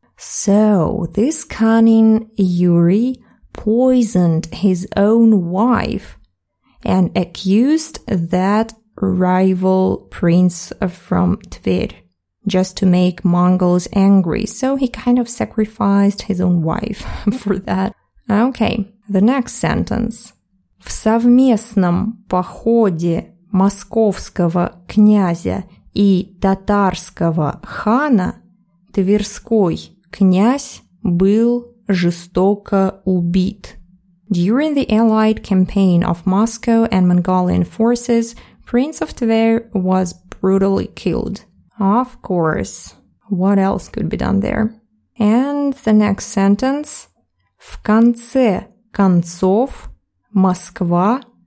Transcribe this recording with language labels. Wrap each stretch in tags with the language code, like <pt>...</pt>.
<en>So this cunning Yuri poisoned his own wife and accused that rival prince from Tver, just to make Mongols angry. So he kind of sacrificed his own wife for that. Okay, the next sentence.</en> <ru>В совместном походе московского князя и татарского хана Тверской князь был жестоко убит.</ru> <en>During the allied campaign of Moscow and Mongolian forces, Prince of Tver was brutally killed. Of course, what else could be done there? And the next sentence.</en> <ru>В конце концов, Москва</ru>